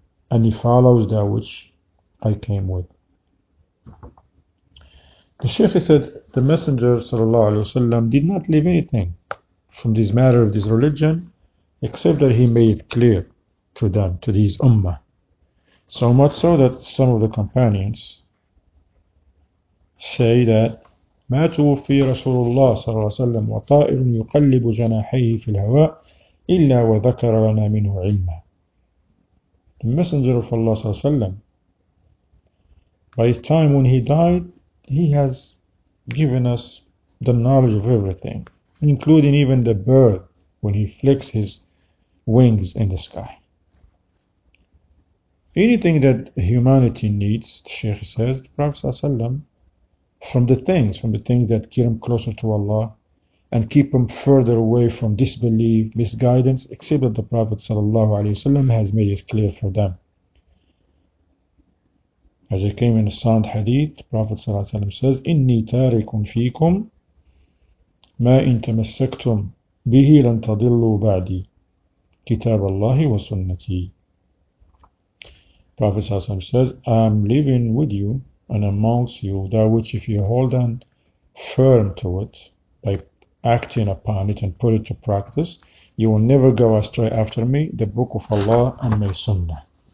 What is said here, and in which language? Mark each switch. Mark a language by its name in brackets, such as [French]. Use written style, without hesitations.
[English] and he follows that which I came with. The Shaykh said the Messenger sallallahu alaihi wasallam did not leave anything from this matter of this religion, except that he made it clear to them, to his ummah. So much so that some of the companions say that [Arabic] ما توفي رسول الله صلى الله عليه وسلم وطائر يقلب جناحيه في الهواء إلا وذكر لنا منه علما. [English] The Messenger of Allah صلى الله عليه وسلم, by the time when he died, he has given us the knowledge of everything, including even the bird when he flicks his wings in the sky. Anything that humanity needs, the Shaykh says, the Prophet صلى الله عليه وسلم, from the things that get him closer to Allah and keep him further away from disbelief, misguidance, except that the Prophet sallallahu alaihi wasallam has made it clear for them. As it came in a sound hadith, Prophet sallallahu alaihi wasallam says, [Arabic] إِنِّي تَارِكُمْ فِيكُمْ مَا إِن تَمَسَّكْتُمْ بِهِ لَن تَضِلُّوا بَعْدِي كِتَابَ اللَّهِ وَسُنَّتِي. [English] Prophet sallallahu alaihi wasallam says, I'm living with you and amongst you that which, if you hold on firm to it by acting upon it and put it to practice, you will never go astray after me, the Book of Allah and my Sunnah.